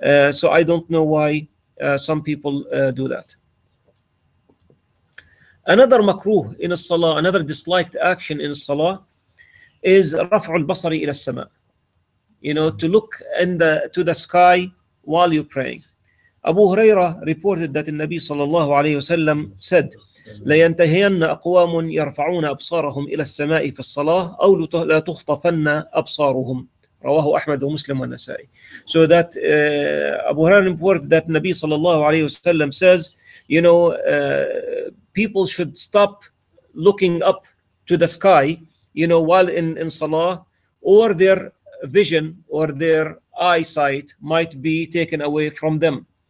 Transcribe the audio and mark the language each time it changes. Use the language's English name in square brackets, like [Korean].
[English] So I don't know why some people do that. Another makruh in the salah, another disliked action in the salah, is raf'ul basari ila as-sama', you know, to look to the sky while you're praying. Abu Huraira reported that the Nabi sallallahu alayhi wasallam said, [Arabic] لَيَنْتَهِيَنَّ أَقْوَامٌ يَرْفَعُونَ أَبْصَارَهُمْ إِلَى السَّمَاءِ فِي الصَّلَاةِ أَوْ لَتُخْطَفَنَّ أَبْصَارُهُمْ. رواه أحمد ومسلم والنسائي. [English] So that Abu Huraira reported that Nabi sallallahu alayhi wasallam says, you know, people should stop looking up to the sky, you know, while in salah, or their vision or their eyesight might be taken away from them.